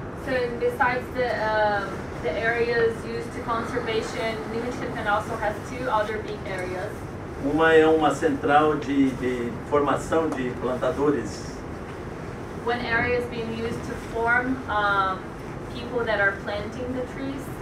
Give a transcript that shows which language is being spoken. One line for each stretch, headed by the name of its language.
English: So besides the areas used to conservation, New Enchantment also has two other big areas.
Portuguese: Uma é uma central de formação de plantadores
English: one area is being used to form people that are planting the trees,